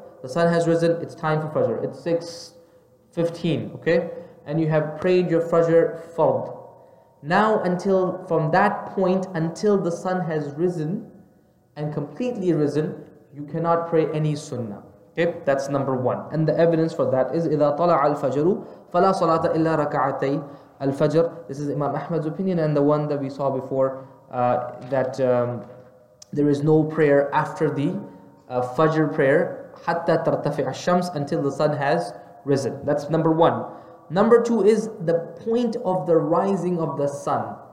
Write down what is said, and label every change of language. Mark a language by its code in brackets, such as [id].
[en] The sun has risen, it's time for Fajr. It's 6:15, okay? And you have prayed your Fajr fard. Now, until from that point until the sun has risen and completely risen, you cannot pray any sunnah. Okay, that's number one. And the evidence for that is [ar] إذا طلع الفجر فلا صلاة إلا ركعتي الفجر. [en] This is Imam Ahmad's opinion and the one that we saw before, that there is no prayer after the Fajr prayer [ar] حتى ترتفع الشمس, [en] until the sun has risen. That's number one. Number two is the point of the rising of the sun.